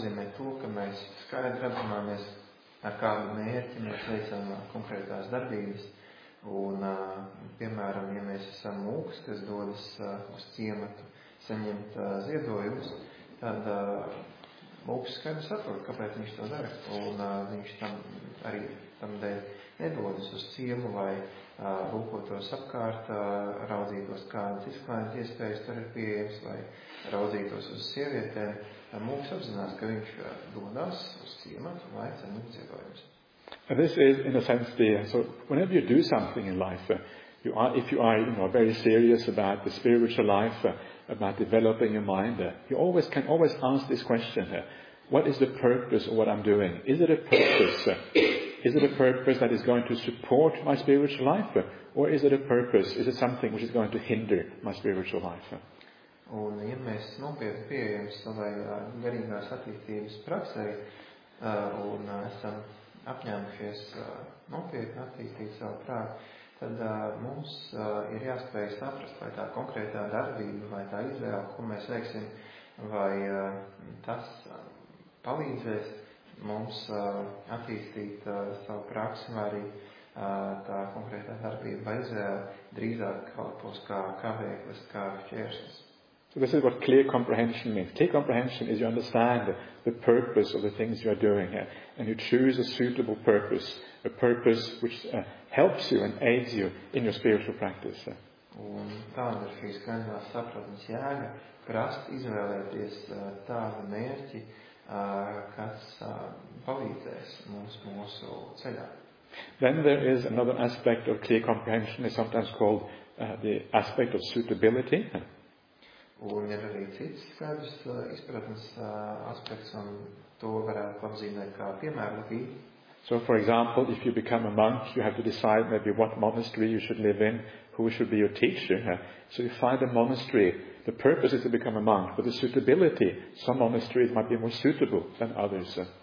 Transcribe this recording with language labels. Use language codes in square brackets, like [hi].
[lv] Ar kādu mērķi mēs veicam konkrētās darbības, un, piemēram, ja mēs esam mūks, kas dodas uz ciematu saņemt ziedojumus, tad mūks skaidrs saprot, kāpēc viņš to dara, un viņš tam arī tam dēļ nedodas uz ciemu, lai lūkotos apkārt, raudzītos, kādas izklājas iespējas tur ir pieejams, vai raudzītos uz sievietēm. Mūks apzinās, ka viņš dodas uz ciematu, lai saņemt ziedojumus. [en] And this is, in a sense, so whenever you do something in life, you are, if you are, you know, very serious about the spiritual life, about developing your mind. You always can always ask this question. What is the purpose of what I'm doing? Is it a purpose? Is it a purpose that is going to support my spiritual life? Or is it a purpose? Is it something which is going to hinder my spiritual life? [lv] Un, ja mēs nopietni pieejam savai garīgās attīstības praksei un esam apņēmušies nopietni attīstīt savu prātu, tad mums ir jāspēj saprast, vai tā konkrētā darbība, vai tā izvēle, ko mēs veiksim, vai tas palīdzēs mums attīstīt savu praksi, vai arī tā konkrētā darbība vai izvēle drīzāk kalpos kā kavēklis, kā šķērslis. [en] So this is what clear comprehension means. Clear comprehension is you understand the purpose of the things you are doing here, and you choose a suitable purpose, a purpose which helps you and aids you in your spiritual practice. [lv] Un tāda ir šīs gandās sapratnes jēga, prast izvēlēties tādu mērķi, kas palīdzēs mums mūsu ceļā. [en] Then there is another aspect of clear comprehension, is sometimes called the aspect of suitability. [lv] Un ir arī cits skaidrs izpratnes aspekts, un to varētu apzīmēt kā piemērlīgi. [en] So, for example, if you become a monk, you have to decide maybe what monastery you should live in, who should be your teacher. So you find a monastery, the purpose is to become a monk, but the suitability, some monasteries might be more suitable than others.